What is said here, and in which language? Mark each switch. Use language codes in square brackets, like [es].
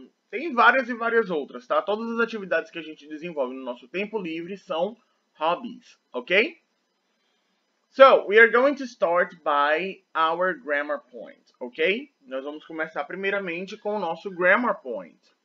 [pt] Tem várias e várias outras, tá? Todas as atividades que a gente desenvolve no nosso tempo livre são hobbies, ok? [en] So, we are going to start by our grammar point, ok? [pt] Nós vamos começar primeiramente com o nosso grammar point.